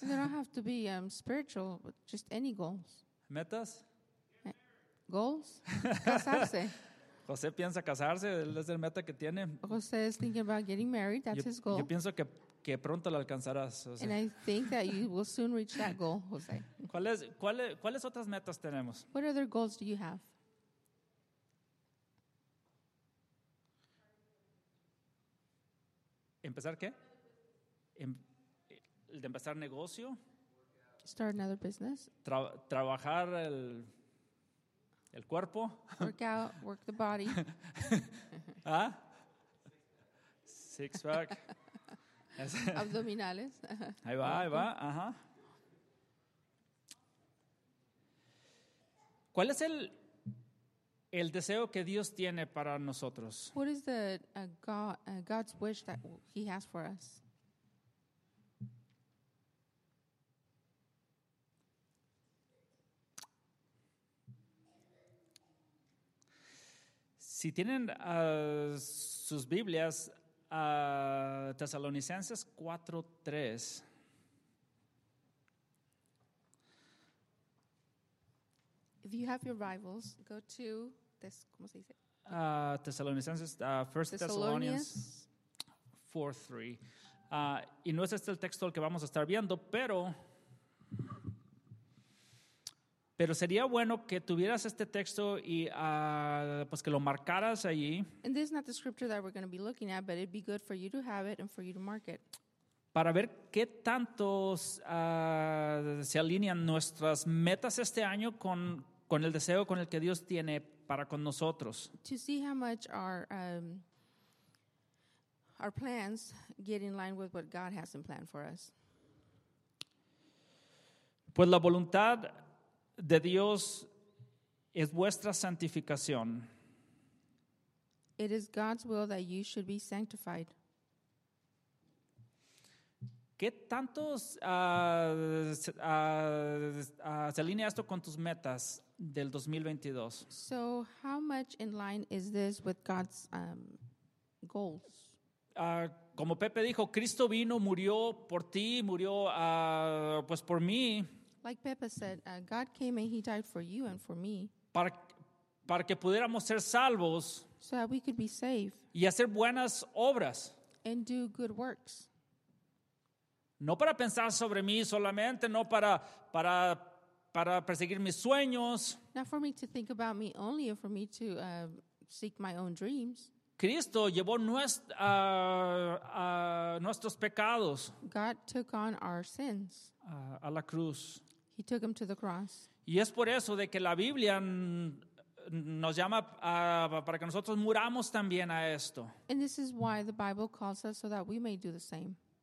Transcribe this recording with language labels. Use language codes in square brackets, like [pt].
[en] They don't have to be spiritual, but just any goals. [es] ¿Metas? [en] Goals? [es] Casarse. José piensa casarse, es el meta que tiene. [en] José is thinking about getting married, that's his goal. [es] Yo pienso que pronto lo alcanzarás, José. [en] And I think that you will soon reach that goal, José. [es] ¿Cuáles otras metas tenemos? [en] What other goals do you have? [es] ¿Empezar qué? ¿El de empezar negocio? [en] Start another business. [es] Trabajar el cuerpo. [en] Work out, work the body. ¿Ah? Six pack. [es] Abdominales. Ahí va, ahí va. Ajá. ¿Cuál es el deseo que Dios tiene para nosotros? [en] What is the God's wish that he has for us? [es] Si tienen sus Biblias, Tesalonicenses 4:3. [en] If you have your Bibles, go to this, [es] ¿cómo se dice? [en] Tesalonicenses, 1 Thessalonians 4:3. [es] Y no es este el texto el que vamos a estar viendo, pero sería bueno que tuvieras este texto y pues que lo marcaras allí. [en] And this is not the scripture that we're going to be looking at, but it'd be good for you to have it and for you to mark it. [es] Para ver qué tanto se alinean nuestras metas este año con el deseo con el que Dios tiene para con nosotros. [en] To see how much our plans get in line with what God has in plan for us. [es] Pues la voluntad de Dios es vuestra santificación. [en] It is God's will that you should be sanctified. [es] ¿Qué tanto se alinea esto con tus metas del 2022? [en] So, how much in line is this with God's goals? [es] Como Pepe dijo, Cristo vino, murió por ti, murió pues por mí. [en] Like Pepe said, God came and he died for you and for me. [es] Para que pudiéramos ser salvos. [en] So that we could be saved. [es] Y hacer buenas obras. [en] And do good works. [es] No para pensar sobre mí solamente, no para perseguir mis sueños. [en] Not for me to think about me only, or for me to seek my own dreams. [es] Cristo llevó nuestros pecados. [en] God took on our sins. [es] A la cruz. [en] He took him to the cross. [es] Y es por eso de que la Biblia nos llama para que nosotros muramos también a esto. [en] And this is why the Bible calls us so that we may do the same.